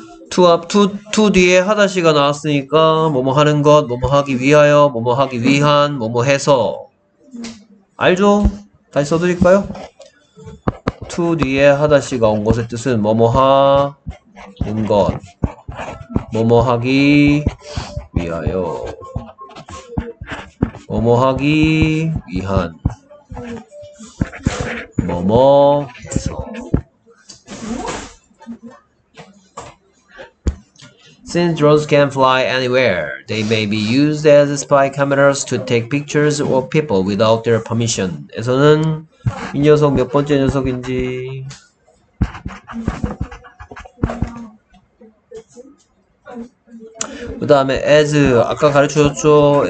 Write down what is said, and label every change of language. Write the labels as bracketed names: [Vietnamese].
[Korean] To up, to 뒤에 하다시가 나왔으니까, 뭐뭐 하는 것, 뭐뭐 하기 위하여, 뭐뭐 하기 위한, 뭐뭐 해서. 알죠? 다시 써드릴까요? To 뒤에 하다시가 온 것의 뜻은, 뭐뭐 하는 것, 뭐뭐 하기 위하여. 뭐뭐 하기 위한 뭐뭐 해서 [English] Since drones can fly anywhere, they may be used as spy cameras to take pictures of people without their permission. [Korean] 에서는 이 녀석 몇 번째 녀석인지 그 다음에 as 아까 가르쳐줬죠?